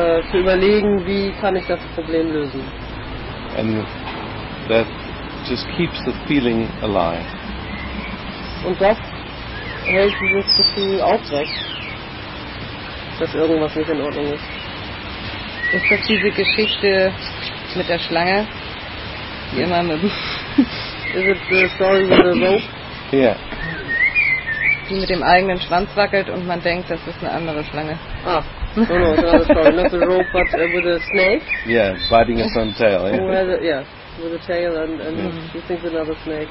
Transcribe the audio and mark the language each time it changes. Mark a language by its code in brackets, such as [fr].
[de] Zu überlegen, wie kann ich das Problem lösen. [en] And that just keeps the feeling alive. [de] Und das hält dieses Gefühl aufrecht, dass irgendwas nicht in Ordnung ist. Ist das diese Geschichte mit der Schlange? Die immer mit [en] Is it the story with the rope? Ja. Yeah. [de] Die mit dem eigenen Schwanz wackelt und man denkt, das ist eine andere Schlange. [en] Ah. No, it's another story. Not the rope, but with a snake. Yeah, biting its own tail. Yeah, with a tail and mm-hmm. You think it's another snake.